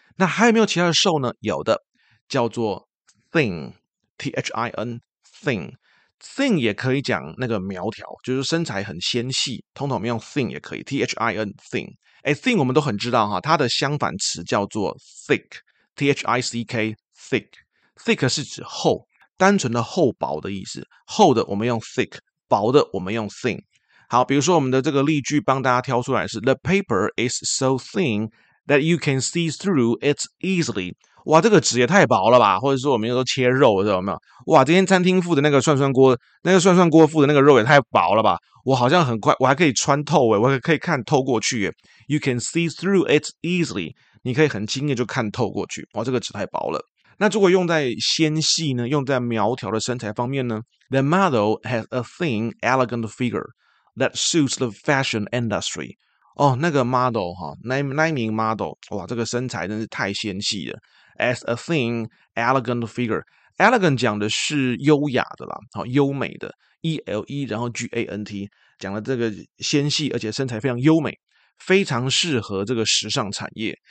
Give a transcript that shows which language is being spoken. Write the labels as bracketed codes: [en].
[zh] 那还有没有其他的瘦呢？有的，叫做 thin，thin 也可以讲那个苗条，就是身材很纤细，通常我们用 thin 也可以 ，thin thin。 thin 我们都很知道哈，它的相反词叫做 thick，thick 是指厚，单纯的厚薄的意思。厚的我们用 thick， 薄的我们用 thin。好，比如说我们的这个例句帮大家挑出来是 [en] the paper is so thin that you can see through it easily。 [zh] 哇，这个纸也太薄了吧？或者说我们有时候切肉，知道没有？哇，今天餐厅附的那个涮涮锅，那个涮涮锅附的那个肉也太薄了吧？我好像很快，我还可以穿透诶，我还可以看透过去诶。 [en] You can see through it easily， [zh] 你可以很轻易就看透过去。哇，这个纸太薄了。那如果用在纤细呢？用在苗条的身材方面呢？ [en] The model has a thin, elegant figure that suits the fashion industry。 [zh] 哦，那个 model 哈，那一名 model， 哇，这个身材真是太纤细了。 [en] As a thin, elegant figure。 [zh] Elegant 讲的是优雅的啦，好，优美的 ，ELE， 然后 GANT 讲了这个纤细，而且身材非常优美，非常适合这个时尚产业。